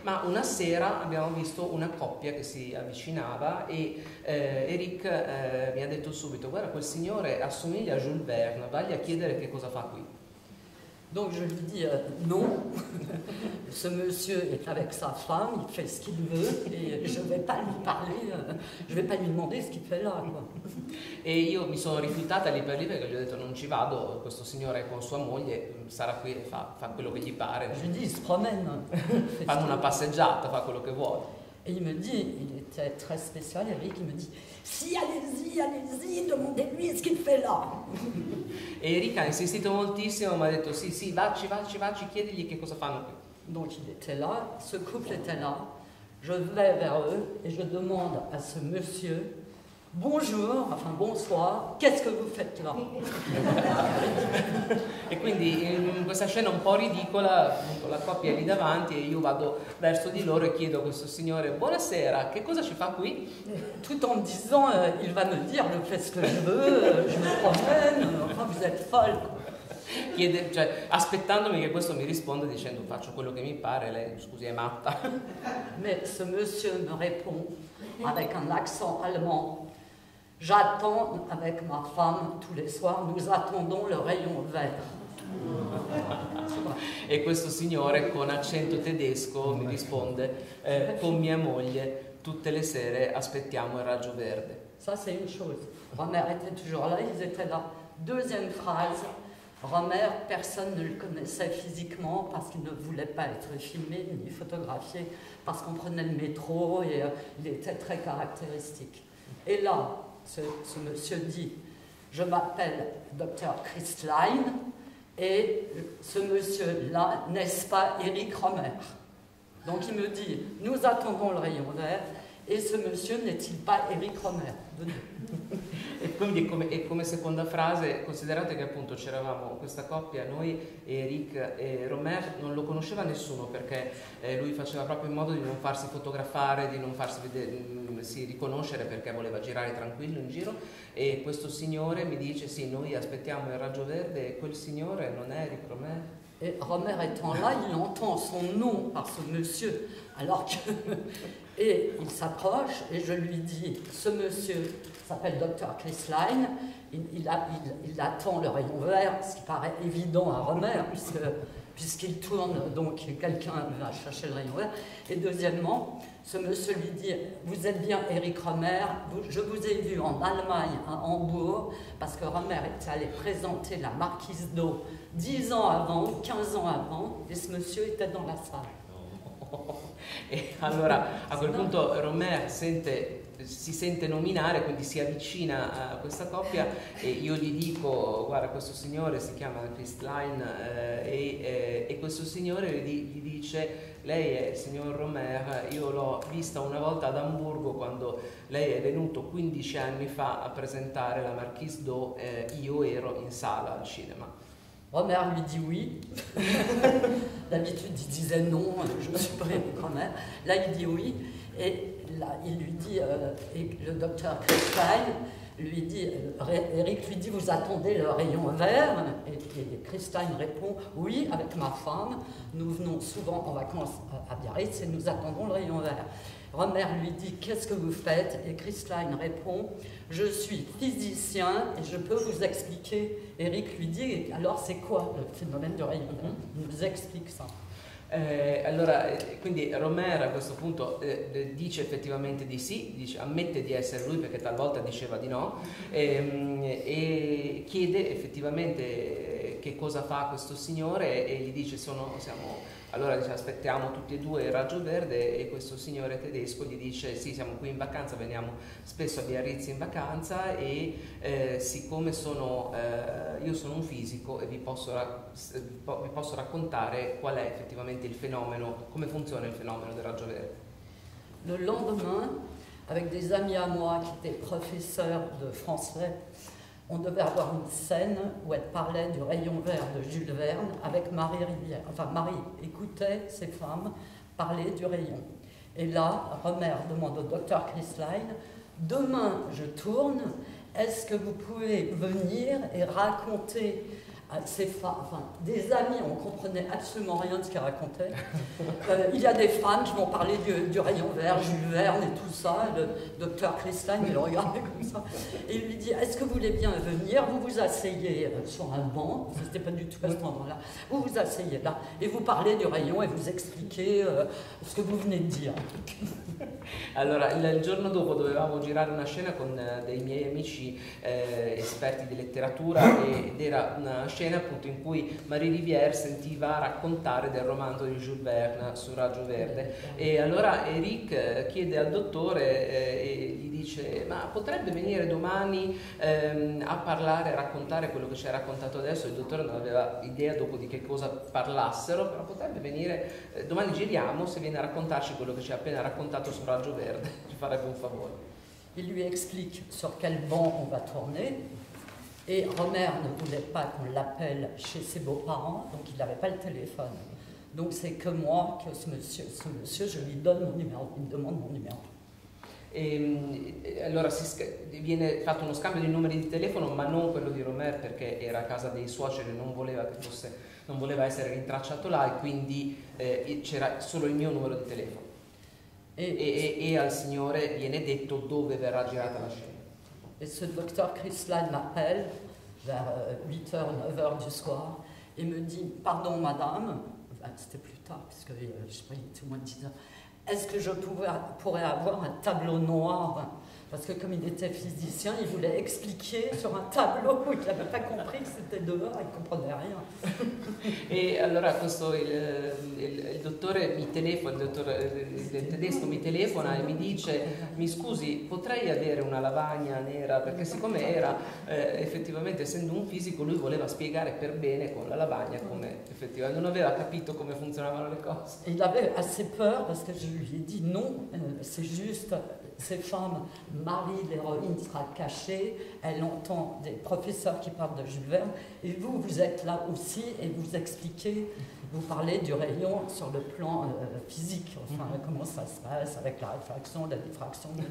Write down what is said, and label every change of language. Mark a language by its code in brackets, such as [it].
[it] Ma una sera abbiamo visto una coppia che si avvicinava e Eric mi ha detto subito: guarda, quel signore assomiglia a Jules Verne, vagli a chiedere che cosa fa qui. [fr] Donc je lui dis non, ce monsieur est avec sa femme, il fait ce qu'il veut et je ne vais pas lui parler, je ne vais pas lui demander ce qu'il fait là. Quoi. [it] E io mi sono rifiutata lì per lì perché gli ho detto non ci vado, questo signore è con sua moglie, sarà qui e fa quello che gli pare. [fr] Je lui dis, il se promène. [it] Fanno una passeggiata, fa quello che vuole. [fr] Et il me dit, il était très spécial, Eric, il me dit, si, allez-y, demandez-lui ce qu'il fait là. Et [it] Eric a insistito moltissimo, [fr] m'a [it] detto, sì, sì, vacci, chiedigli che cosa fanno qui. [fr] Donc il était là, ce couple était là, je vais vers eux et je demande à ce monsieur, bonjour, enfin bonsoir, qu'est-ce que vous faites là? [it] E quindi in questa scena un po' ridicola, appunto, la coppia è lì davanti e io vado verso di loro e chiedo a questo signore: buonasera, che cosa ci fa qui? [fr] Tout en disant, il va me dire, je fais ce que je veux, je me promène, enfin vous êtes folle. [it] Chiede, cioè, aspettandomi che questo mi risponda dicendo faccio quello che mi pare, lei, scusi, è matta. [fr] Mais ce monsieur me répond avec un accent allemand. J'attends avec ma femme tous les soirs, nous attendons le rayon vert. [it] E questo signore con accento tedesco mi risponde: con mia moglie tutte le sere aspettiamo il raggio verde. [fr] Ça c'est une chose. Romère était toujours là, ils étaient là. Deuxième phrase: Romère, personne ne le connaissait physiquement parce qu'il ne voulait pas être filmé ni photographié, parce qu'on prenait le métro et il était très caractéristique. Et là, ce monsieur dit, je m'appelle Dr. Christlein et ce monsieur-là, n'est-ce pas Eric Romère? Donc il me dit, nous attendons le rayon vert et ce monsieur n'est-il pas Eric Romère? [it] E quindi come seconda frase, considerate che appunto c'eravamo questa coppia, noi, Eric e Romère, non lo conosceva nessuno perché lui faceva proprio in modo di non farsi fotografare, di non farsi vedere, si riconoscere, perché voleva girare tranquillo in giro, e questo signore mi dice sì, noi aspettiamo il raggio verde e quel signore non è Eric Romère. [fr] E Romère étant là, il entend son nom par ce monsieur, alors que... Et il s'approche et je lui dis, ce monsieur s'appelle Dr. Christlein, il attend le rayon vert, ce qui paraît évident à Romère, puisqu'il tourne, donc quelqu'un va chercher le rayon vert. Et deuxièmement, ce monsieur lui dit, vous êtes bien Eric Romère, je vous ai vu en Allemagne, à Hambourg, parce que Romère est allé présenter la marquise d'O 10 ans avant, 15 ans avant, et ce monsieur était dans la salle. [it] E allora a quel punto Romère si sente nominare, quindi si avvicina a questa coppia e io gli dico, guarda, questo signore si chiama Christlein e questo signore gli dice, lei è il signor Romère, io l'ho vista una volta ad Amburgo quando lei è venuto 15 anni fa a presentare la Marquise d'O, io ero in sala al cinema. [fr] Romère lui dit oui. D'habitude, il disait non, je me suis pris quand même. Là, il dit oui. Et là, il lui dit, et le docteur Christlein lui dit, Eric lui dit, vous attendez le rayon vert. Et Christlein répond, oui, avec ma femme, nous venons souvent en vacances à Biarritz et nous attendons le rayon vert. Romère lui dit, qu'est-ce que vous faites? Et Christlein répond, je suis physicien et je peux vous expliquer. Eric lui dit, alors c'est quoi le phénomène de rayon vert? Il nous explique ça. [it] Allora, quindi Romère a questo punto dice effettivamente di sì, dice, ammette di essere lui perché talvolta diceva di no, e chiede effettivamente che cosa fa questo signore e gli dice, allora dice, aspettiamo tutti e due il raggio verde, e questo signore tedesco gli dice sì, siamo qui in vacanza, veniamo spesso a Biarritz in vacanza e siccome sono io sono un fisico e vi posso raccontare qual è effettivamente il fenomeno, come funziona il fenomeno del raggio verde. [fr] Le lendemain, avec des amis à moi qui étaient professeurs de français on devait avoir une scène où elle parlait du rayon vert de Jules Verne avec Marie Rivière. Enfin, Marie écoutait ces femmes parler du rayon. Et là, Romer demande au docteur Christline, demain je tourne, est-ce que vous pouvez venir et raconter à ces femmes, enfin, des amis, on ne comprenait absolument rien de ce qu'elle racontait. Il y a des femmes qui vont parler du rayon vert, Jules Verne et tout ça, le docteur Christine, il le regardait comme ça. Et il lui dit, est-ce que vous voulez bien venir, vous vous asseyez sur un banc, ce n'était pas du tout à ce moment-là, vous vous asseyez là, et vous parlez du rayon et vous expliquez ce que vous venez de dire. [it] Allora, il giorno dopo dovevamo girare una scena con dei miei amici esperti di letteratura ed era una scena appunto in cui Marie Rivière sentiva raccontare del romanzo di Jules Verne su Raggio Verde e allora Eric chiede al dottore e gli dice ma potrebbe venire domani a parlare, a raccontare quello che ci hai raccontato adesso? Il dottore non aveva idea dopo di che cosa parlassero, però potrebbe venire, domani giriamo, se viene a raccontarci quello che ci ha appena raccontato su Raggio Verde, ci farebbe un favore. [fr] Il lui explique sur quel banc on va tourner et Romer ne voulait pas qu'on l'appelle chez ses beaux-parents, donc il n'avait pas le téléphone. Donc c'est que moi, que ce monsieur, je lui donne mon numéro, il me demande mon numéro. [it] Allora viene fatto uno scambio di numeri di telefono, ma non quello di Romer perché era a casa dei suoceri e non voleva che fosse, non voleva essere rintracciato là e quindi c'era solo il mio numero di telefono. E al signore viene detto dove verrà girata la scena. [fr] E ce docteur Chrysler m'appelle vers 8h, 9h du soir et me dit pardon madame, c'était plus tard puisque je sais pas, il était au moins 10h, est-ce que je pourrais avoir un tableau noir? Parce que comme il était physicien, il voulait expliquer sur un tableau où il n'avait pas compris que c'était dehors, il ne comprenait rien. Et alors, [it] questo, il dottore mi telefona, il dottore del tedesco mi telefona e mi dice, mi scusi, potrei avere una lavagna nera? Perché siccome era, effettivamente, essendo un fisico, lui voleva spiegare per bene con la lavagna come effettivamente, non aveva capito come funzionavano le cose. [fr] Il [it] aveva [fr] assez peur, parce que je lui ai dit non, c'est juste... Ces femmes, Marie, l'héroïne, sera cachée, elle entend des professeurs qui parlent de Jules Verne, et vous, vous êtes là aussi et vous expliquez, vous parlez du rayon sur le plan physique, enfin, comment ça se passe avec la réfraction, la diffraction.